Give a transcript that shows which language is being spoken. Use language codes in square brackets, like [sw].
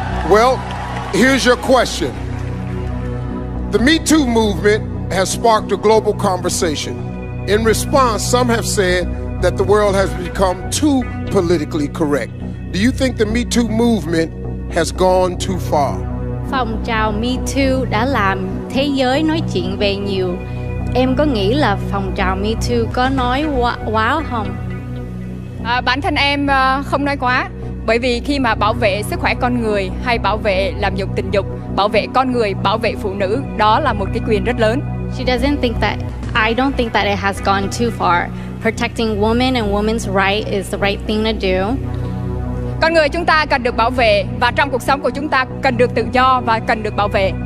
[en] Well, here's your question. The Me Too movement has sparked a global conversation. In response, some have said that the world has become too politically correct. Do you think the Me Too movement has gone too far? [vi] Phong trào Me Too đã làm thế giới nói chuyện về nhiều. Em có nghĩ là phong trào Me Too có nói quá không? Bản thân em không nói quá. Bởi vì khi mà bảo vệ sức khỏe con người hay bảo vệ làm nhục tình dục, bảo vệ con người, bảo vệ phụ nữ, đó là một cái quyền rất lớn. [en] She doesn't think that, I don't think that it has gone too far. Protecting women and women's right is the right thing to do. [vi] Con người chúng ta cần được bảo vệ, và trong cuộc sống của chúng ta cần được tự do và cần được bảo vệ.